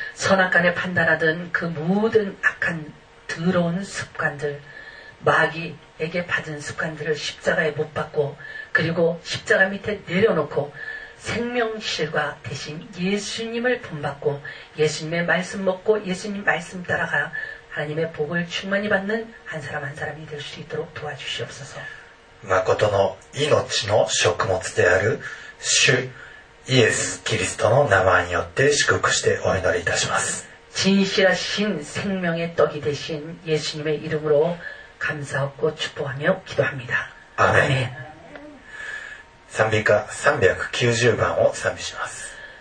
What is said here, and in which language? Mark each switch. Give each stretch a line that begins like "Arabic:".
Korean: 선악간에판단하던그모든악한더러운습관들마귀에게받은습관들을십자가에못받고그리고십자가밑에내려놓고생명실과대신예수님을본받고예수님의말씀먹고예수님말씀따라가하나님의복을충만히받는한사람한사람이될수있도록도와주시옵소서
Japanese: まことの命の食物である主イエスキリストの名前によって祝福してお祈りいたします。
Korean: 진실하신생명의떡이되신예수님의이름으로감사하고축복하며기도합니다
Japanese: 아멘, 아멘賛美歌390番を賛美します。